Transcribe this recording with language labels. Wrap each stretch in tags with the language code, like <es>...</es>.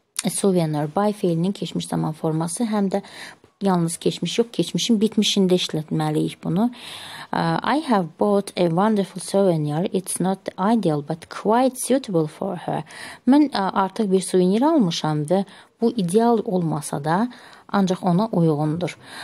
<az>Souvenir buy fiilinin keçmiş zaman forması həm də yalnız keçmiş yox, keçmişin bitmişində işlətməliyik bunu.</az> <en>I have bought a wonderful souvenir. It's not ideal but quite suitable for her.</en> <az>Mən artıq bir souvenir almışam və bu ideal olmasa da ancaq ona uyğundur.</az>